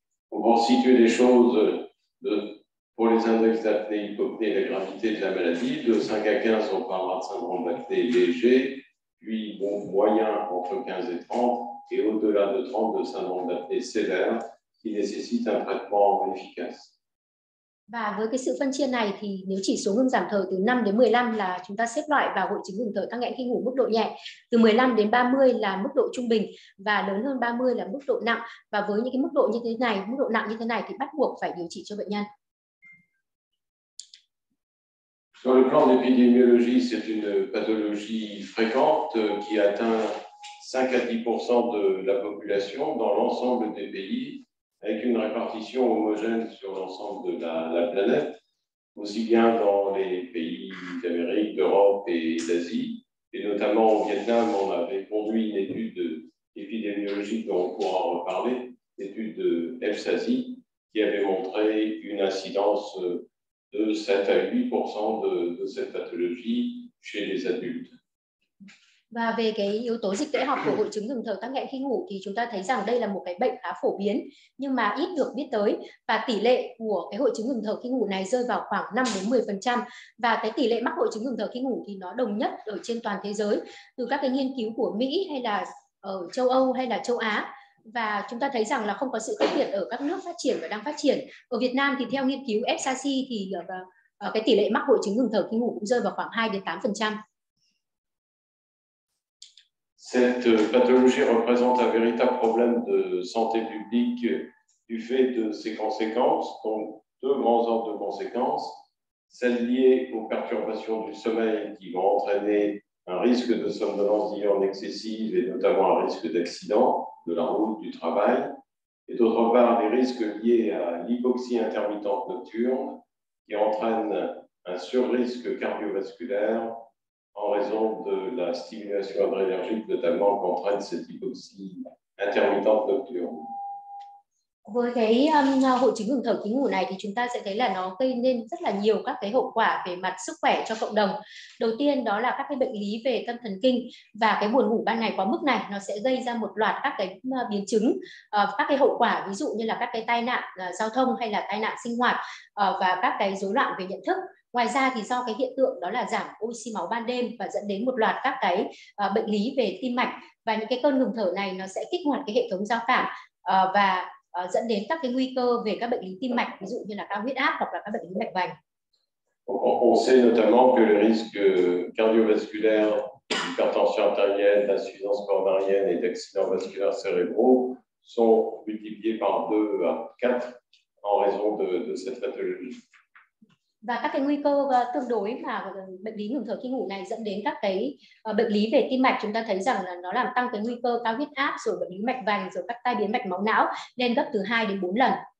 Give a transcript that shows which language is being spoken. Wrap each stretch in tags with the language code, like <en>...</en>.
<fr>Pour situer les choses, pour les index d'apnée hypopnée et la gravité de la maladie, de 5 à 15, on parlera de syndrome d'apnée léger, puis bon, moyen entre 15 et 30, et au-delà de 30, de syndrome d'apnée sévère qui nécessite un traitement efficace.</fr> <vi>Và với cái sự phân chia này thì nếu chỉ số ngưng giảm thở từ 5 đến 15 là chúng ta xếp loại vào hội chứng ngừng thở tắc nghẽn khi ngủ mức độ nhẹ, từ 15 đến 30 là mức độ trung bình và lớn hơn 30 là mức độ nặng. Và với những cái mức độ như thế này, mức độ nặng như thế này thì bắt buộc phải điều trị cho bệnh nhân.</vi> <fr>Sur le plan d'épidémiologie, c'est une pathologie fréquente qui atteint 5 à 10% de la population dans l'ensemble des pays, avec une répartition homogène sur l'ensemble de la planète, aussi bien dans les pays d'Amérique, d'Europe et d'Asie. Et notamment au Vietnam, on avait conduit une étude épidémiologique dont on pourra reparler, l'étude de EFSASI, qui avait montré une incidence de 7 à 8% de cette pathologie chez les adultes.</fr> <vi>Và về cái yếu tố dịch tễ học của hội chứng ngừng thở tắc nghẽn khi ngủ thì chúng ta thấy rằng đây là một cái bệnh khá phổ biến nhưng mà ít được biết tới, và tỷ lệ của cái hội chứng ngừng thở khi ngủ này rơi vào khoảng 5 đến 10%, và cái tỷ lệ mắc hội chứng ngừng thở khi ngủ thì nó đồng nhất ở trên toàn thế giới từ các cái nghiên cứu của Mỹ hay là ở châu Âu hay là châu Á. Và chúng ta thấy rằng là không có sự khác biệt ở các nước phát triển và đang phát triển. Ở Việt Nam thì theo nghiên cứu EFSASI thì cái tỷ lệ mắc hội chứng ngừng thở khi ngủ cũng rơi vào khoảng 2 đến 8%.</vi> <fr>Cette pathologie représente un véritable problème de santé publique du fait de ses conséquences, donc deux grands ordres de conséquences, celle liée aux perturbations du sommeil qui vont entraîner un risque de somnolence diurne excessive et notamment un risque d'accident de la route, du travail, et d'autre part les risques liés à l'hypoxie intermittente nocturne qui entraîne un surrisque cardiovasculaire en raison de la stimulation adrénergique, notamment qu'entraîne cette hypoxie intermittente nocturne.</fr> <vi>Với cái hội chứng ngừng thở khi ngủ này thì chúng ta sẽ thấy là nó gây nên rất là nhiều các cái hậu quả về mặt sức khỏe cho cộng đồng. Đầu tiên đó là các cái bệnh lý về tâm thần kinh, và cái buồn ngủ ban ngày quá mức này nó sẽ gây ra một loạt các cái biến chứng, các cái hậu quả ví dụ như là các cái tai nạn giao thông hay là tai nạn sinh hoạt và các cái rối loạn về nhận thức. Ngoài ra thì do cái hiện tượng đó là giảm oxy máu ban đêm và dẫn đến một loạt các cái bệnh lý về tim mạch, và những cái cơn ngừng thở này nó sẽ kích hoạt cái hệ thống giao cảm và dẫn đến các cái nguy cơ về các bệnh lý tim mạch, ví dụ như là cao huyết áp hoặc là các bệnh lý mạch vành.</vi> <fr>On sait notamment que le risque cardiovasculaire, hypertension artérielle, d'insuffisance coronarienne et d'accidents vasculaires cérébraux sont multipliés par 2 à 4 en raison de cette pathologie.</fr> <vi>Và các cái nguy cơ tương đối mà bệnh lý ngừng thở khi ngủ này dẫn đến các cái bệnh lý về tim mạch, chúng ta thấy rằng là nó làm tăng cái nguy cơ cao huyết áp, rồi bệnh lý mạch vành, rồi các tai biến mạch máu não lên gấp từ 2 đến 4 lần.</vi>